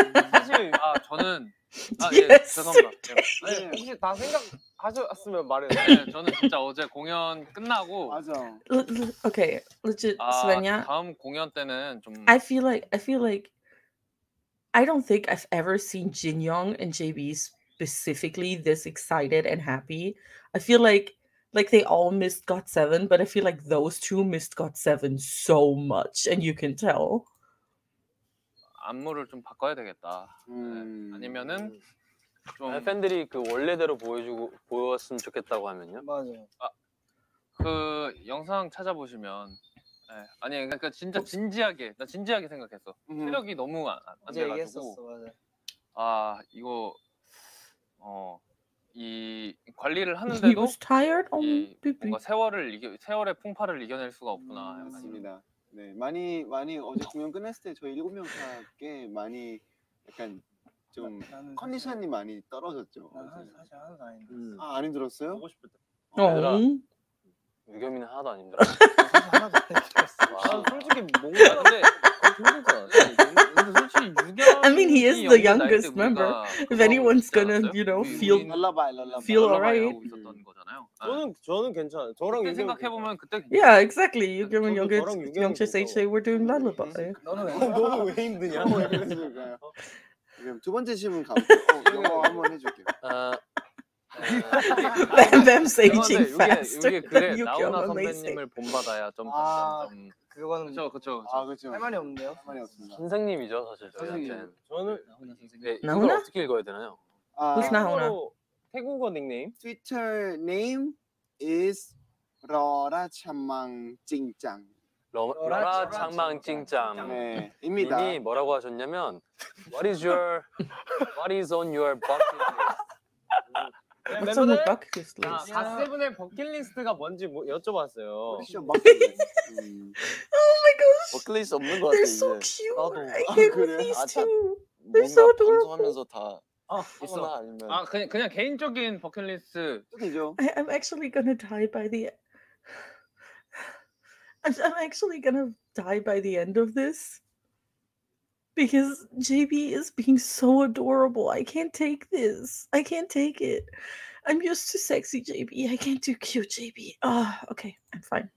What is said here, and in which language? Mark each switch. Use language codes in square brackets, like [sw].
[ko] 사실 아 저는 아 예 죄송합니다 아니, 혹시 다 생각하셨으면 말해요 네, 저는 진짜 어제 공연 끝나고 맞아 오케이 legit 스베냐 다음 공연 때는 좀 [en] I feel like I don't think I've ever seen Jinyoung and JB specifically this excited and happy. I feel like they all missed GOT7, but I feel like those two missed GOT7 so much, and you can tell. [ko] 안무를 좀 바꿔야 되겠다. 네. 아니면은 좀 팬들이 그 원래대로 보여주고 보였으면 좋겠다고 하면요. 맞아요. 아, 그 영상 찾아보시면. 네. 아니 그러니까 진짜 진지하게 나 진지하게 생각했어 체력이 너무 안 돼가지고 얘기했었어 맞아 아 이거 어 이 관리를 하는데도 뭔가 세월을 이겨 세월의 풍파를 이겨낼 수가 없구나. 맞습니다. 네 많이 많이 어제 공연 끝났을 때 저희 일곱 명 다께 많이 약간 좀 컨디션이 사실... 많이 떨어졌죠. 사실 하나도 안 힘들었어요. 아 안 힘들었어요? 보고 싶을 때. 유겸이는 하나도 안 힘들어. 하나도 안 힘들었어. 솔직히 뭔가 근데 솔직히 [en] 유겸. I mean he is the youngest member. If anyone's gonna, you know, feel alright. [ko] 저는 괜찮아요. 저랑 생각해 보면 그때. [en] Yeah, exactly. 유겸 and Youngest, Youngest HJ, we're doing lullaby. [ko] 너는 왜 힘드냐? 유겸 두 번째 질문 가볼게요. 영어 한번 해줄게요. 뱀뱀 세이징 faster. 이게 그래 나훈아 선배님을 본받아야 좀 아, 그거는 그쵸. 할 말이 없네요. 할 말이 없습니다. 선생님이죠 사실. 선생님. 저는 나훈아 선생님. 네, 나훈아 어떻게 읽어야 되나요? [en] 아, Who's 나훈아? [ko] 태국어 닉네임. [en] Twitter name is 러라 창망 찡짱. [ko] 러라 창망 찡짱. 네,입니다. 이미 뭐라고 하셨냐면 [en] What is on your bucket list? [ko] 멤버들 버킷리스트. 갓세븐의 버킷리스트가 뭔지 뭐 여쭤봤어요. 오 마이 갓. 버킷리스트 없는 거 같아 이제. [en] They're so cute. I can't with these two. They're so adorable. [ko] 방송하면서 다 있어 아니면. 아 그냥 그냥 개인적인 버킷리스트. 그죠. [en] I'm actually gonna die by the. I'm actually gonna die by the end of this. Because JB is being so adorable. I can't take this. I can't take it. I'm used to sexy JB. I can't do cute JB. Oh, okay, I'm fine.